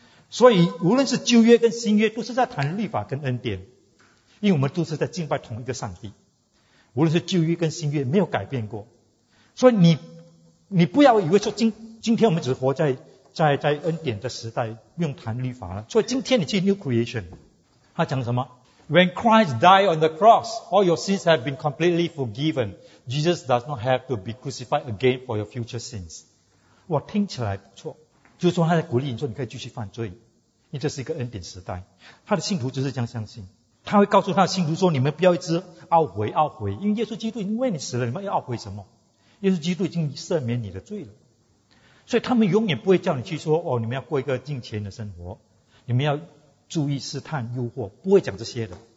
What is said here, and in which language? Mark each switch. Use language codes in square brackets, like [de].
[zh] 所以无论是旧约跟新约都是在谈律法跟恩典，因为我们都是在敬拜同一个上帝。无论是旧约跟新约没有改变过。所以你不要以为说今天我们只活在恩典的时代，不用谈律法了。所以今天你去 New Creation， 他讲什么？ [en] When Christ died on the cross, all your sins have been completely forgiven. Jesus does not have to be crucified again for your future sins. [zh] 哇，听起来不错，就是说他在鼓励你说你可以继续犯罪，因为这是一个恩典时代。他的信徒就是这样相信，他会告诉他的信徒说：你们不要一直懊悔，因为耶稣基督已经为你死了，你们要懊悔什么？耶稣基督已经赦免你的罪了。所以他们永远不会叫你去说：哦，你们要过一个敬虔的生活，你们要注意试探诱惑，不会讲这些的。